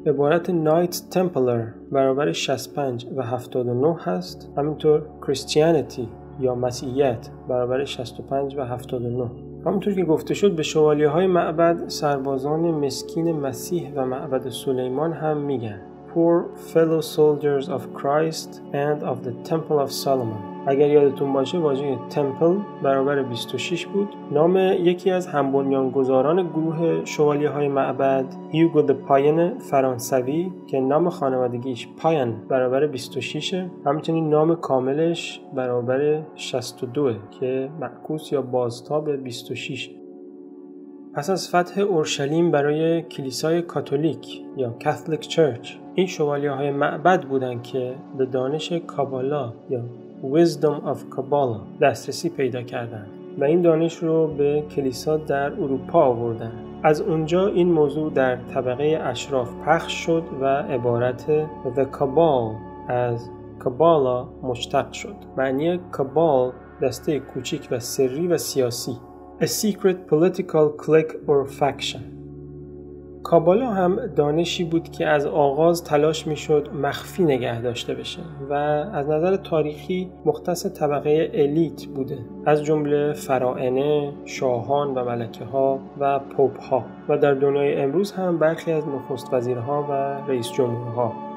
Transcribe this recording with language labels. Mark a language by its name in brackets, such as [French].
[Persian] عبارت نایت تمپلر برابر 65 و 79 هست، همینطور کریستیانیتی یا مسیحیت برابر 65 و 79. همونطور که گفته شد به شوالیه های معبد سربازان مسکین مسیح و معبد سلیمان هم میگن. [English] Poor fellow soldiers of Christ and of the Temple of Solomon. [Persian] اگر یادتون باشه واژه تمپل برابر 26 بود. نام یکی از همبنیانگذاران گروه شوالیه های معبد هیوگو د پاین فرانسوی که نام خانوادگیش پاین برابر 26، همچنین نام کاملش برابر 62 که معکوس یا بازتاب 26. پس از فتح اورشلیم برای کلیسای کاتولیک یا کاتولیک چرچ، این شوالیه های معبد بودند که به دانش کابالا یا Wisdom of Kabbalah دسترسی پیدا کردند و این دانش رو به کلیسا در اروپا آوردند. از اونجا این موضوع در طبقه اشراف پخش شد و عبارت The Kabbal از Kabbalah مشتق شد. معنی Kabbal دسته کوچک و سری و سیاسی. [English] A secret political clique or faction. [Persian] کابالا هم دانشی بود که از آغاز تلاش میشد مخفی نگه داشته بشه و از نظر تاریخی مختص طبقه الیت بوده، از جمله فراعنه، شاهان و ملکه ها و پوپ ها و در دنیای امروز هم برخی از نخست وزیرها و رئیس جمهورها.